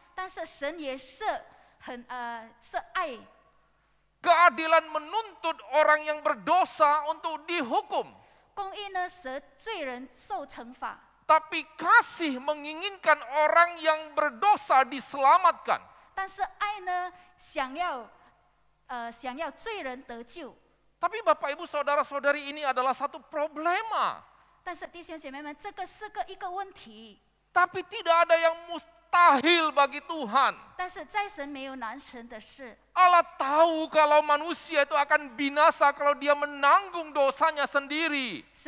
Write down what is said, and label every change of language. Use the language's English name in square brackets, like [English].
[Chinese] 但是神也是很是爱. [Indonesian] Keadilan menuntut orang yang berdosa untuk dihukum. [Chinese] 公义呢，使罪人受惩罚. [Indonesian] Tapi kasih menginginkan orang yang berdosa diselamatkan. [Chinese] 但是爱呢，想要罪人得救. [Indonesian] Tapi Bapak Ibu Saudara-saudari ini adalah satu problema. [Chinese] 但是弟兄姐妹们，这个是个一个问题. [Indonesian] Tapi tidak ada yang mustahil bagi Tuhan. [Chinese] 但是在神没有难成的事. [Indonesian] Allah tahu kalau manusia itu akan binasa kalau dia menanggung dosanya sendiri.